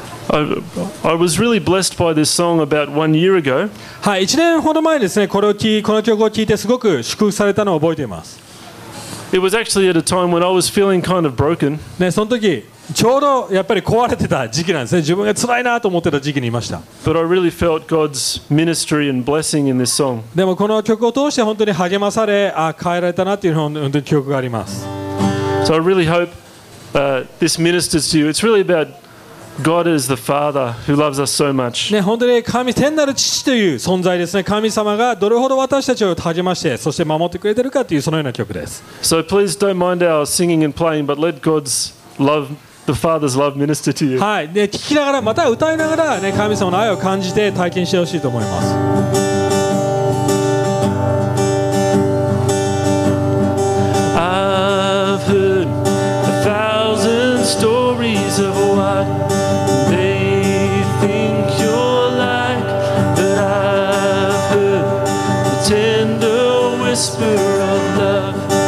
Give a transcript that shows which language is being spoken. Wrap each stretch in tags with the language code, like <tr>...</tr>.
<en>I was really blessed by this song about 1 year ago.</en> <ja>はい、1年ほど前ですね、この曲を聴いてすごく祝福されたのを覚えています。</ja> <en>It was actually at a time when I was feeling kind of broken.</en> <ja>ね、その時ちょうどやっぱり壊れてた時期なんですね。自分が辛いなと思ってた時期にいました。</ja> <en>But I really felt God's ministry and blessing in this song.</en> <ja>でもこの曲を通して本当に励まされ、あ、変えられたなっていう本当に記憶があります。</ja> <en>So I really hope this ministers to you. It's really about God is the Father who loves us so much.</en> <ja>ね、本当に神、天なる父という存在ですね。神様がどれほど私たちを励まして、そして守ってくれてるかというそのような曲です。</ja> <en>So please don't mind our singing and playing, but let God'sLove, the Father's love minister to you.</en> <ja>はい、ね、聞きながらまた歌いながらね、神様の愛を感じて体験してほしいと思います。</ja> <en>I've heard a thousand stories of what they think you're like, but I've heard the tender whisper.</en>